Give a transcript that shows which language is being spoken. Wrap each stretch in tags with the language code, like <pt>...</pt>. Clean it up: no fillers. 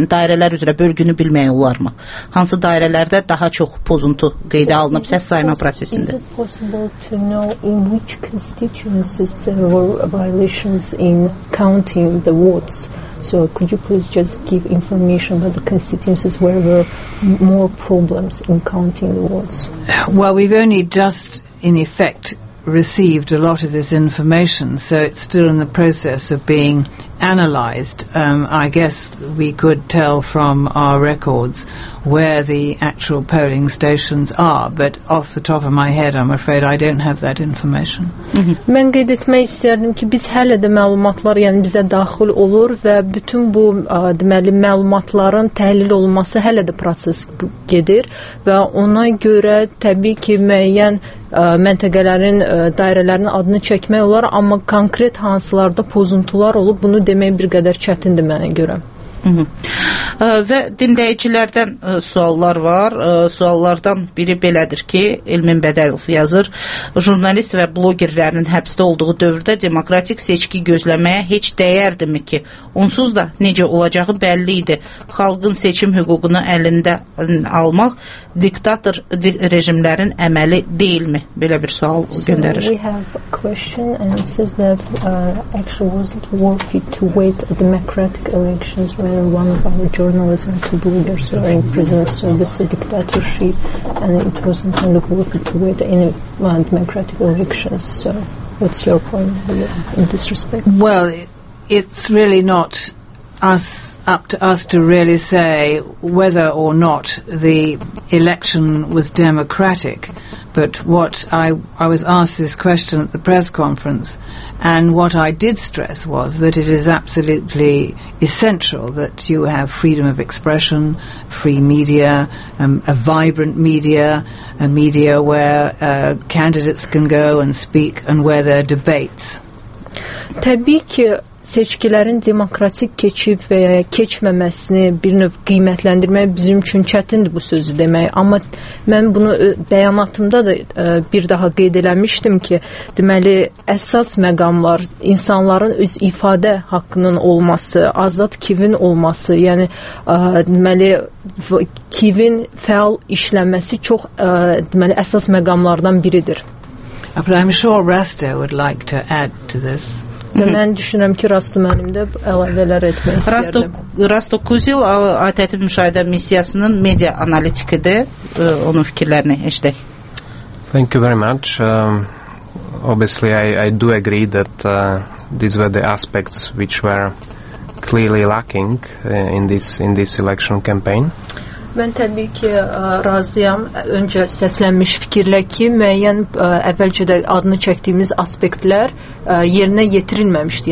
<az>Yəni, dairələr üzrə bölgünü bilmək olarmı? Hansı dairələrdə daha çox pozuntu qeydə alınıb səs sayma prosesində?</az> <en>Is it possible to know in which constituencies there were violations in counting the votes? So, could you please just give information about the constituencies where there were more problems in counting the votes? Well, we've only just, in effect, received a lot of this information, so it's still in the process of being analyzed. I guess we could tell from our records where the actual polling stations are, but off the top of my head, I'm afraid I don't have that information.</en> <az>Mən qeyd etmək istəyərdim ki, biz hələ də məlumatlar yəni bizə daxil olur və bütün bu deməli məlumatların təhlil olunması hələ də proses gedir və ona görə təbii ki, müəyyən məntəqələrin dairələrinin adını çəkmək olar, amma konkret hansılarda pozuntular olub, bunu demək bir qədər çətindir mənə görə. Və dinləyicilərdən suallar var. Suallardan biri belədir ki, Elmin Bədəlov yazır, jurnalist və blogerlərin həbsdə olduğu dövrdə demokratik seçki gözləməyə heç dəyərdimi ki, onsuz da necə olacağı bəlli idi. Xalqın seçim hüququnu əlində almaq diktator rejimlərin əməli deyilmi? Belə bir sual göndərir.</az> <en>So we have a question and it says that actually was it worth it to wait democratic elections when one of our journalism to bloggers are in prison, so this is a dictatorship and it wasn't kind of worth it to wait in democratic elections. So what's your point in this respect? Well, it's really not us up to us to really say whether or not the election was democratic, but what I was asked this question at the press conference, and what I did stress was that it is absolutely essential that you have freedom of expression, free media, a vibrant media, a media where candidates can go and speak and where there are debates.</en> <az>Təbii ki seçkilərin demokratik keçib və ya keçməməsini bir növ qiymətləndirmək bizim üçün çətindir bu sözü demək. Amma mən bunu bəyanatımda da bir daha qeyd eləmişdim ki, deməli, əsas məqamlar insanların öz ifadə haqqının olması, azad Kiyevin olması, yəni deməli, Kiyevin fəal işlənməsi çox deməli, əsas məqamlardan biridir.</az> <en>I'm sure Rasta would like to add to this.</en> <az>Və mən düşünürəm ki, Rasto mənim də əlavələr etmək istəyirdim. Rasto Kuzil ATƏT müşahidə missiyasının media analitikidir. Onun fikirlərini eşidək.</az> <en>Thank you very much. Obviously, I do agree that these were the aspects which were clearly lacking in this election campaign.</en> <az>Mən təbii ki, razıyam. Öncə səslənmiş fikirlə ki, müəyyən əvvəlcədə adını çəkdiyimiz aspektlər yerinə yetirilməmişdi.</az>